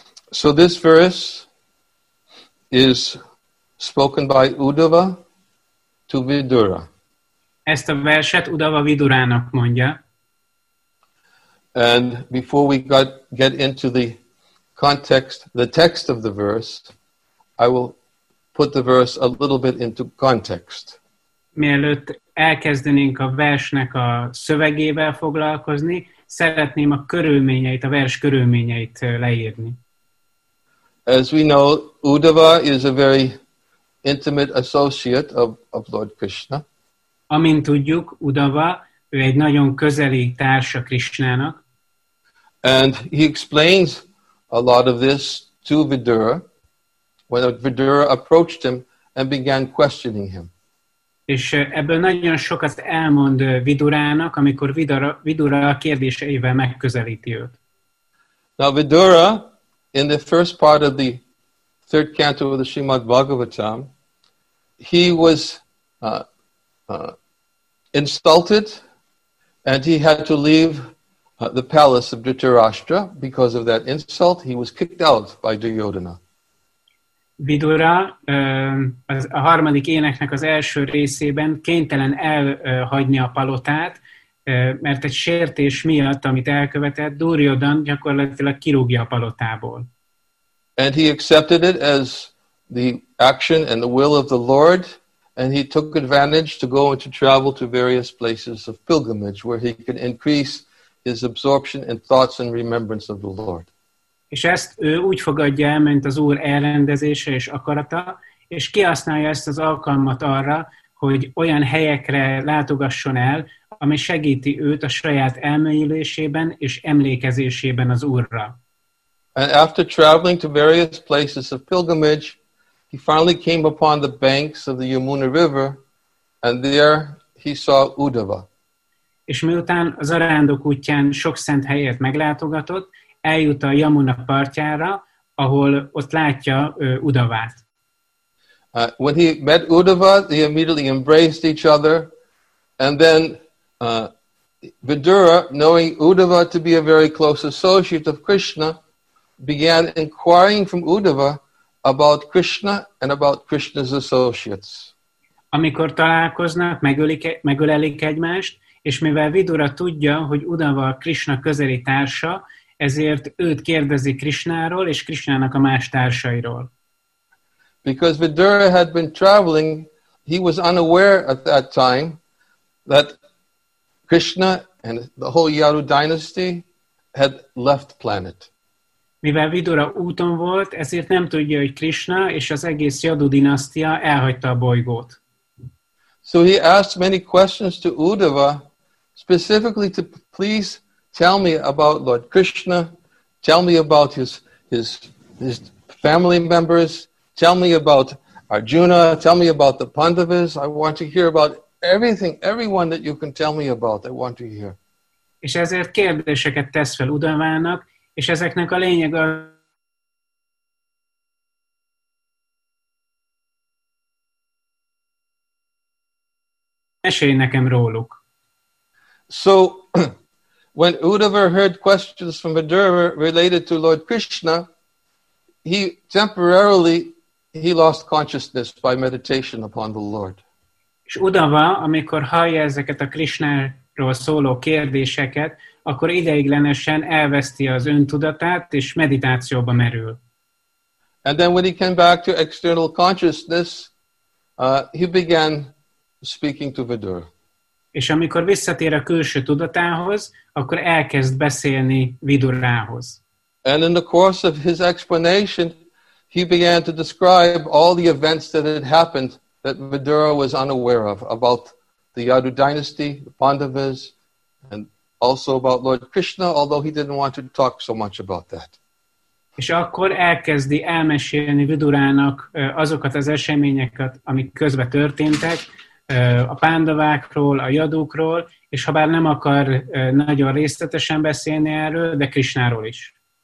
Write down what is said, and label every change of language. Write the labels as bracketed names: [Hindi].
[English] So this verse is spoken by Uddhava to Vidura. [Hungarian] Ezt a verset Uddhava Vidurának mondja. [English] And before we get into the context, the text of the verse, I will put the verse a little bit into context. [Hungarian] Mielőtt elkezdenénk a versnek a szövegével foglalkozni, szeretném a körülményeit, a vers körülményeit leírni. [English] As we know, Uddhava is a very intimate associate of Lord Krishna. [Hungarian] Amint tudjuk, Uddhava, ő egy nagyon közeli társa Krishnának. [English] And he explains a lot of this to Vidura when Vidura approached him and began questioning him. [Hungarian] És ebből nagyon sokat elmond Vidurának, amikor Vidura a kérdéseivel megközelíti őt. [English] Now Vidura, in the first part of the third canto of the Srimad Bhagavatam, he was insulted and he had to leave the palace of Dhritarashtra because of that insult. He was kicked out by Duryodhana. [Hungarian] Vidura a harmadik éneknek az első részében kénytelen elhagyni a palotát, mert egy sértés miatt, amit elkövetett, Duryodhan gyakorlatilag kirúgja a palotából. [English] And he accepted it as the action and the will of the Lord, and he took advantage to go and to travel to various places of pilgrimage where he could increase his absorption in thoughts and remembrance of the Lord. [Hungarian] És ezt ő úgy fogadja el, mint az Úr elrendezése és akarata, és kihasználja ezt az alkalmat arra, hogy olyan helyekre látogasson el, ami segíti őt a saját elmélyülésében és emlékezésében az Úrra. [English] And after traveling to various places of pilgrimage, he finally came upon the banks of the Yamuna River, and there he saw Uddhava. [Hungarian] És miután az Arándok útján sok szent helyet meglátogatott, eljut a Yamuna partjára, ahol ott látja Uddhavát. [English] When he met Uddhava, they immediately embraced each other, and then Vidura, knowing Uddhava to be a very close associate of Krishna, began inquiring from Uddhava about Krishna and about Krishna's associates. [Hungarian] Amikor találkoznak, megölelik egymást, és mivel Vidura tudja, hogy Uddhava Krishna közeli társa, ezért őt kérdezi Krishnáról és Krishnának a más társairól. [English] Because Vidura had been traveling, he was unaware at that time that Krishna and the whole Yadu dynasty had left planet. [Hungarian] Mivel Vidura úton volt, ezért nem tudja, hogy Krishna és az egész Yadu dinasztia elhagyta a bolygót. [English] So he asked many questions to Uddhava, specifically to please tell me about Lord Krishna, tell me about his family members, tell me about Arjuna, tell me about the Pandavas. I want to hear about everything, everyone that you can tell me about. I want to hear. [Hungarian] És ezért kérdéseket tesz fel Uddhavának, és ezeknek a lényeg a... Mesélj nekem róluk. [English] So, when Uddhava heard questions from Vidura related to Lord Krishna, he temporarily lost consciousness by meditation upon the Lord. [Hungarian] És Uddhava, amikor hallja ezeket a Krishnáról szóló kérdéseket, akkor ideiglenesen elveszti az öntudatát, és meditációba merül. [English] And then when he came back to external consciousness, he began speaking to Vidura. [Hungarian] És amikor visszatér a külső tudatához, akkor elkezd beszélni Vidurához. [English] And in the course of his explanation, he began to describe all the events that had happened that Vidura was unaware of, about the Yadu dynasty, the Pandavas, and also about Lord Krishna, although he didn't want to talk so much about that. [Hungarian] És akkor elkezdi elmesélni Vidurának azokat az eseményeket, amik közben történtek, a Pandavákról, a Yadukról, és habár nem akar nagyon részletesen beszélni erről, de Krishnáról is.